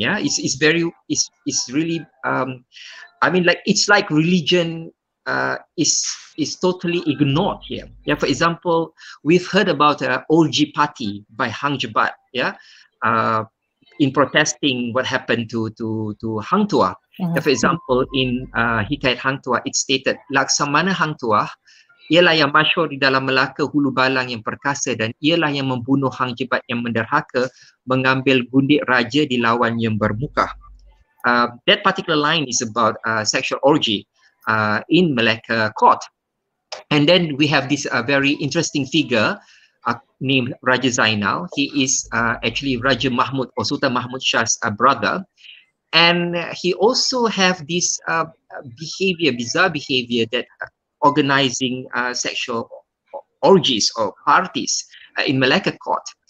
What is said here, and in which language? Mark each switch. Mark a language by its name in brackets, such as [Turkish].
[English] Yeah, it's really I mean, like, it's like religion is totally ignored here. Yeah, for example, we've heard about Olji Party by Hang Jebat, yeah, in protesting what happened to Hang Tuah. Mm-hmm. For example, in Hikayat Hang Tuah, it stated [Malay] Laksamana Hang Tuah ialah yang masyhur di dalam Melaka hulu balang yang perkasa, dan ialah yang membunuh Hang Jebat yang menderhaka mengambil gundik raja di lawan yang bermuka. [English] That particular line is about sexual orgy in Melaka court. And then we have this very interesting figure named Raja Zainal. He is actually Raja Mahmud or Sultan Mahmud Shah's brother. And he also have this bizarre behavior that organizing sexual orgies or parties in Malacca court.